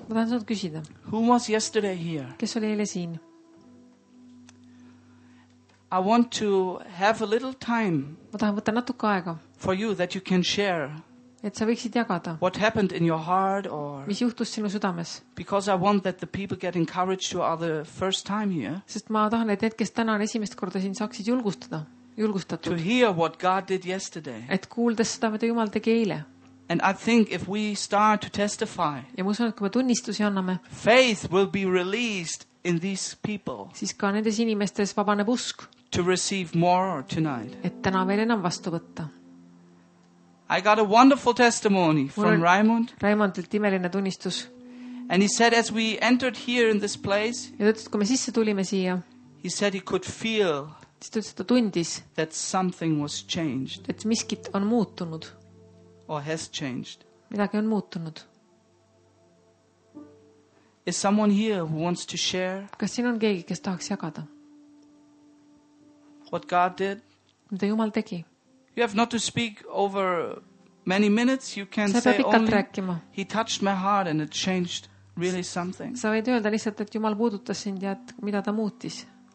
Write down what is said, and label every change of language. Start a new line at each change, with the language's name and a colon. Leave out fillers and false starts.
Estonian: Ma tahan sinut küsida.
English: Who was yesterday here?
Estonian: Kes oli eile siin?
English: I want to have a little time.
Estonian: Ma tahan võtta natuke aega.
English: For you that you can share.
Estonian: Et sa võiksid jagada.
English: What happened in your heart or
Estonian: mis juhtus sinu südames?
English: Because I want that the people get encouraged who are the first time here.
Estonian: Sest ma tahan, et need, kes täna on esimest korda siin, saaksid julgustatud.
English: To hear what God did yesterday.
Estonian: Et kuuldes seda, mida Jumal tegi eile.
English: And I think if we start to testify,
Estonian: ja ma usun, et kui me tunnistusi anname,
English: faith will be released in these people.
Estonian: Siis ka nendes inimestes vabaneb usk.
English: To receive more tonight.
Estonian: Et täna veel enam vastu võtta.
English: I got a wonderful testimony from Raimond.
Estonian: Raimondilt imeline tunnistus.
English: And he said as we entered here in this place,
Estonian: ja tõtlesid, kui me sisse tulime siia,
English: he said he could feel
Estonian: tundis,
English: that something was changed.
Estonian: Et miskit on muutunud.
English: Or has changed.
Estonian: Midagi on muutunud.
English: Is someone here who wants to share?
Estonian: Kas siin on keegi, kes tahaks jagada?
English: What God did?
Estonian: Mida Jumal tegi?
English: You have not to speak over many minutes. You can
Estonian: sa
English: say only
Estonian: rääkima.
English: He touched my heart and it changed really something.
Estonian: Sa võid öelda lihtsalt, et Jumal puudutas sind ja et mida ta muutis.